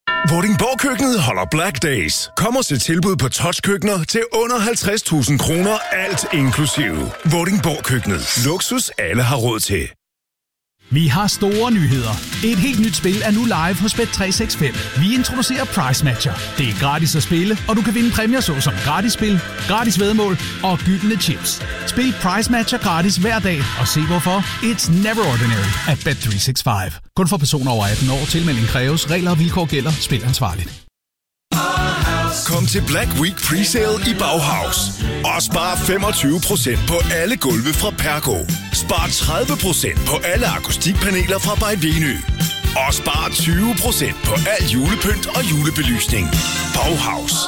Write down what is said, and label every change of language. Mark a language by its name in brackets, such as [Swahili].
[Danish] Vordingborg Køkkenet holder Black Days. Kom og se tilbud på touchkøkkener til under 50.000 kroner, alt inklusive. Vordingborg Køkkenet. Luksus alle har råd til. Vi har store nyheder. Et helt nyt spil er nu live hos Bet365. Vi introducerer Price Matcher. Det er gratis at spille, og du kan vinde præmier såsom gratis spil, gratis væddemål og gyldne chips. Spil Price Matcher gratis hver dag og se hvorfor. [English] It's never ordinary at Bet365. [Danish] Kun for personer over 18 år. Tilmelding kræves. Regler og vilkår gælder. Spil ansvarligt. Kom til Black Week Presale i Bauhaus og spar 25% på alle gulve fra Pergo. Spar 30% på alle akustikpaneler fra Beiveny. Og spar 20% på al julepynt og julebelysning. Bauhaus.